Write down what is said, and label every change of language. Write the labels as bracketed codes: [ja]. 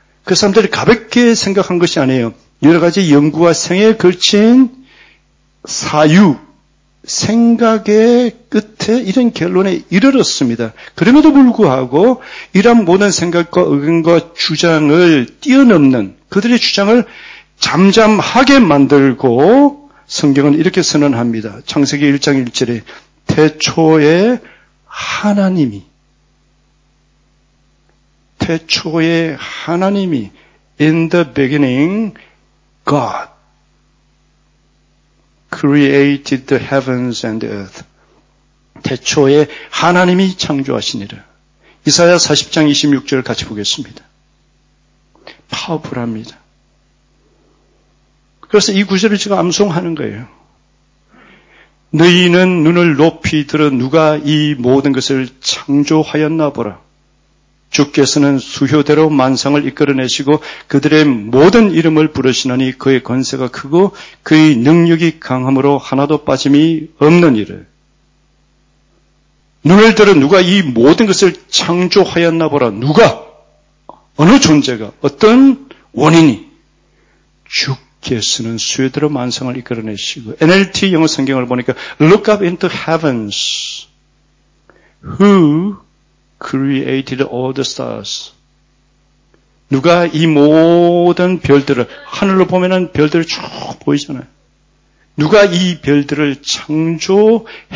[ko] 그 사람들이 가볍게 생각한 것이 아니에요. 여러 가지 연구와 생에 걸친 사유, 생각의 끝에 이런 결론에 이르렀습니다. 그럼에도 불구하고 이런 모든 생각과 의견과 주장을 뛰어넘는 그들의 주장을 잠잠하게 만들고 성경은 이렇게 선언합니다. 창세기 1장 1절에 태초에 하나님이, [en] 태초에 하나님이, in the beginning God created the heavens and the earth. [ko] 태초에 하나님이 창조하시니라. 이사야 40장 26절 같이 보겠습니다. 파워풀합니다. 그래서 이 구절을 제가 암송하는 거예요. 너희는 눈을 높이 들어 누가 이 모든 것을 창조하였나 보라. 주께서는 수효대로 만상을 이끌어내시고 그들의 모든 이름을 부르시나니 그의 권세가 크고 그의 능력이 강함으로 하나도 빠짐이 없는 이를. 눈을 들어 누가 이 모든 것을 창조하였나 보라. 누가? 어느 존재가? 어떤 원인이? 주께서는 수에대로 만성을 이끌어내시고 NLT 영어 성경을 보니까 [en] Look up into heavens. Who created all the stars? [ko] 누가 이 모든 별들을 하늘로 보면은 별들이 쭉 보이잖아요. 누가 이 별들을 창조했을까?